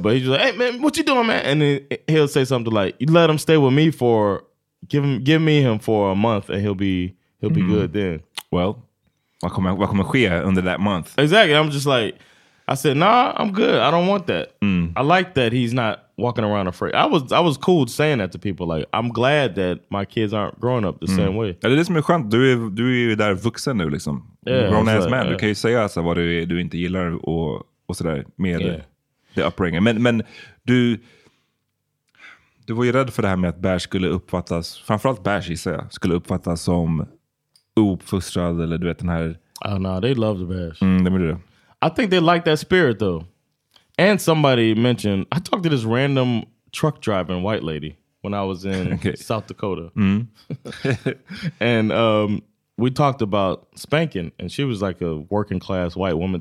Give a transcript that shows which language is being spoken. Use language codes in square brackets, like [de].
[en] But he's just like, hey, man, what you doing, man? And then he'll say something like, you let him stay with me for, give me him for a month and he'll be good then. Well, welcome queer under that month. Exactly. I'm just like, I said, nah, I'm good. I don't want that. Mm. I like that he's not walking around afraid. I was cool saying that to people. Like, I'm glad that my kids aren't growing up the same way. [sv] Ja, det är det som är skönt. Du är där vuxen nu, liksom. [en] Yeah, grown ass man. Yeah. [sv] Du kan ju säga alltså, vad du inte gillar och sådär med det upbringing. Men du var ju rädd för det här med att Bash skulle uppfattas, framförallt Bash i sig, skulle uppfattas som ouppfostrad eller du vet den här... [en] Oh, no, they love the Bash. [sv] Mm, det menar du. [en] I think they like that spirit, though. And somebody mentioned, I talked to this random truck driving white lady when I was in South Dakota. Mm. And we talked about spanking, and she was like a working class white woman.